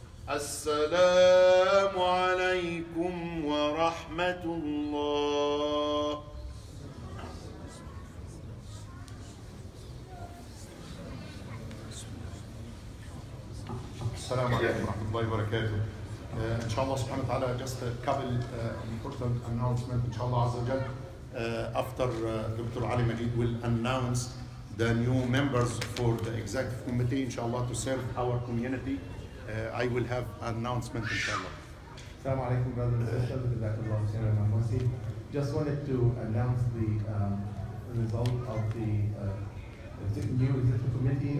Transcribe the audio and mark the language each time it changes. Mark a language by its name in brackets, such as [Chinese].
[Arabic] السلام عليكم ورحمة الله. السلام عليكم ورحمة الله وبركاته. إن شاء الله سبحانه وتعالى [English] just a couple important announcement. [Arabic] إن شاء الله عز وجل [English] after Dr. Ali Majid will announce the new members for the executive committee, inshallah, to serve our community. I will have announcement, inshallah. Assalamu alaikum, brothers and sisters. Jazakallahu khairan wa mercy. Just wanted to announce the result of the new executive committee.